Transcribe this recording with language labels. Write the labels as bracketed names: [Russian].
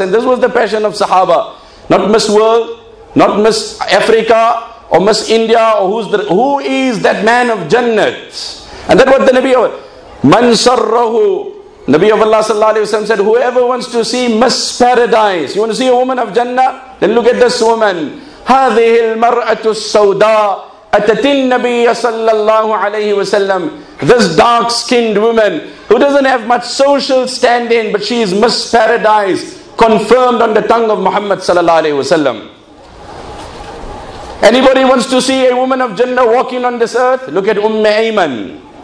[English] And this was the passion of Sahaba. Not Miss World, not Miss Africa, or Miss India, or who is that man of Jannat? And that what the Nabi of Man Sarrahu, Nabi of Allah sallallahu alayhi wa sallam said, whoever wants to see Miss Paradise, you want to see a woman of Jannah? Then look at this woman. [Arabic] هذه المرأة السوداء أتت النبي صلى الله عليه وسلم. [English] This dark-skinned woman who doesn't have much social standing, but she is Miss Paradise, confirmed on the tongue of Muhammad sallallahu alayhi wa sallam. Anybody wants to see a woman of Jannah walking on this earth? Look at Ayman.